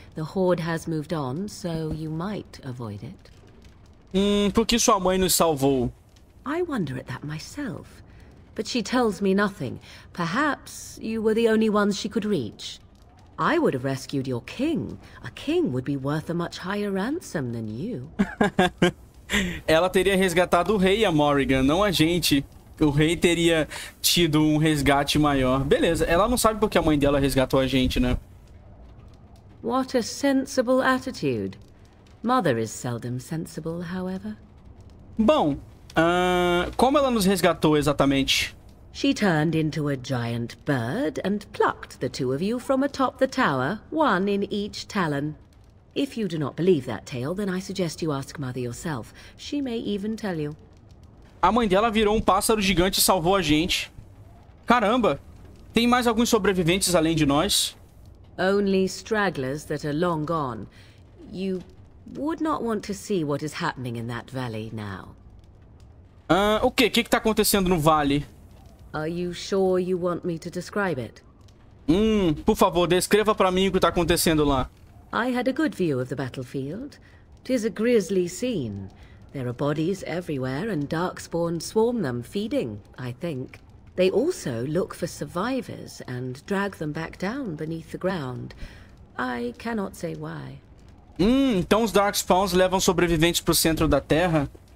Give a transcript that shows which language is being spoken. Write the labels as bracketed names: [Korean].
[English] The Horde has moved on, so you might avoid it. [Portuguese] Por que sua mãe nos salvou? [English] I wonder at that myself. But she tells me nothing. Perhaps you were the only ones she could reach. I would have rescued your king. A king would be worth a much higher ransom than you. [Portuguese] Ela teria resgatado o rei, a Morrigan, não a gente. O rei teria tido um resgate maior. Beleza, ela não sabe porque a mãe dela resgatou a gente, né? [English] What a sensible attitude. Mother is seldom sensible, however. [Portuguese] Bom, como ela nos resgatou exatamente? [English] She turned into a giant bird and plucked the two of you from atop the tower, one in each talon. If you do not believe that tale, then I suggest you ask mother yourself. She may even tell you. [Portuguese] A mãe dela virou um pássaro gigante e salvou a gente. Caramba! Tem mais alguns sobreviventes além de nós? [English] Only stragglers that are long gone. You would not want to see what is happening in that valley now. [Portuguese] O quê? O que tá acontecendo no vale? [English] Are you sure you want me to describe it? [Portuguese] Por favor, descreva pra mim o que tá acontecendo lá. [English] I had a good view of the battlefield. Tis a grisly scene. There are bodies everywhere, and darkspawn swarm them, feeding, I think. They also look for survivors and drag them back down beneath the ground. I cannot say why. [Portuguese] Então os darkspawns levam sobreviventes pro centro da terra?